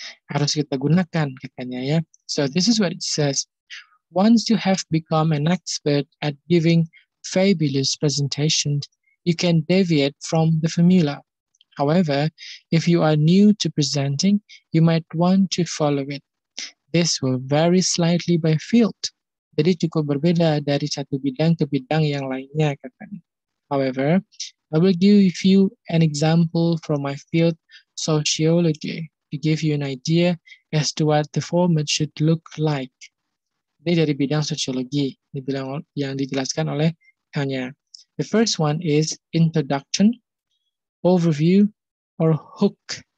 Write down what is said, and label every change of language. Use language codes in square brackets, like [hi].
[id] Harus kita gunakan katanya ya. [en] So this is what it says. Once you have become an expert at giving fabulous presentations, you can deviate from the formula. However, if you are new to presenting, you might want to follow it. This will vary slightly by field. [id] Jadi cukup berbeda dari satu bidang ke bidang yang lainnya katanya. [en] However, I will give you an example from my field, sociology, to give you an idea as to what the format should look like. [id] Ini dari bidang sosiologi, yang dijelaskan oleh Tanya. [en] The first one is introduction, overview, or hook.